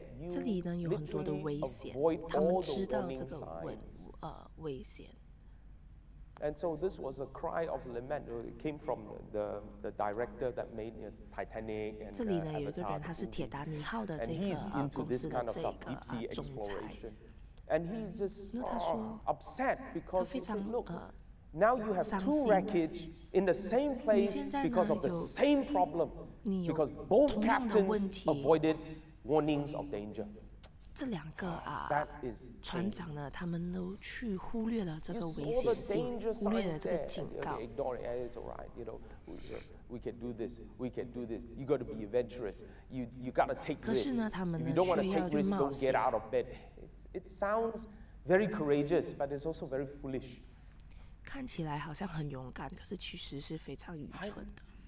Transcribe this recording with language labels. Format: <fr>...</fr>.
<zh>这里呢有很多的危险，他们知道这个危险。</zh> <en>And so this was a cry of lament. It came from the director that made Titanic.</en> <zh>这里呢有一个人，他是铁达尼号的这个公司的这个总裁。</zh> <en>And he's just upset because look. Now you have two wreckage in the same place because of the same problem. Because both captains avoided warnings of danger.</en> <zh>这两个啊，船长呢，他们都去忽略了这个危险性，忽略了这个警告。</zh> <en>Ignore it. It's all right. You know, we can do this. We can do this. You got to be adventurous. You got to take risks.</en> <zh>可是呢，他们呢，却要去冒险。</zh> <en>You don't want to take risks. Don't get out of bed. It sounds very courageous, but it's also very foolish.</en> <zh>看起来好像很勇敢，可是其实是非常愚蠢的。</zh>